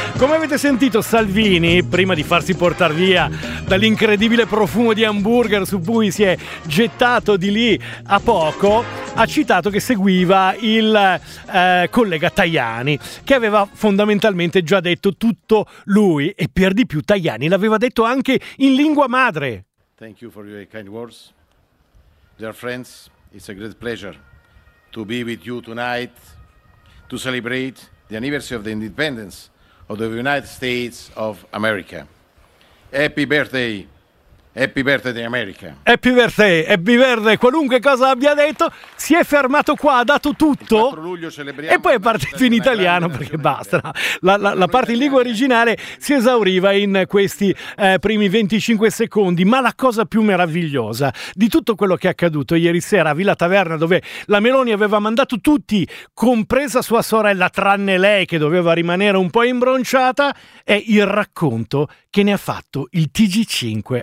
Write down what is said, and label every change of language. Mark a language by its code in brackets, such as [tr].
[it] Come avete sentito, Salvini, prima di farsi portare via dall'incredibile profumo di hamburger su cui si è gettato di lì a poco, ha citato che seguiva il collega Tajani, che aveva fondamentalmente già detto tutto lui, e per di più Tajani l'aveva detto anche in lingua madre. [en] Thank you for your kind words. Dear friends, it's a great pleasure to be with you tonight to celebrate the anniversary of the independence of the United States of America. Happy birthday! Happy birthday in America! Happy birthday! Happy birthday! [it] Qualunque cosa abbia detto, si è fermato qua, ha dato tutto. Il 4 luglio celebriamo. E poi è partito in italiano, perché basta. La parte in lingua originale si esauriva in questi primi 25 secondi. Ma la cosa più meravigliosa di tutto quello che è accaduto ieri sera a Villa Taverna, dove la Meloni aveva mandato tutti, compresa sua sorella, tranne lei che doveva rimanere un po' imbronciata, è il racconto che ne ha fatto il TG5.